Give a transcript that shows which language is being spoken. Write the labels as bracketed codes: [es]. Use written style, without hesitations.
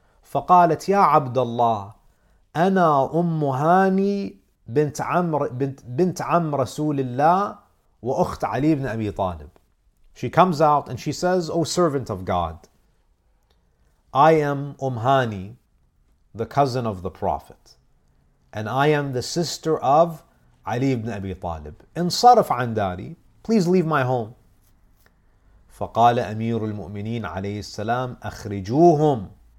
[ar] فَقَالَتْ يَا عَبْدَ اللَّهِ أنا أم هاني بنت عم رسول الله وأخت علي بن أبي طالب. [en] She comes out and she says, O servant of God, I am أم هاني, the cousin of the Prophet, and I am the sister of علي بن أبي طالب. [ar] انصرف عن داري, [en] please leave my home. [ar] فقال أمير المؤمنين عليه السلام أخرجوهم.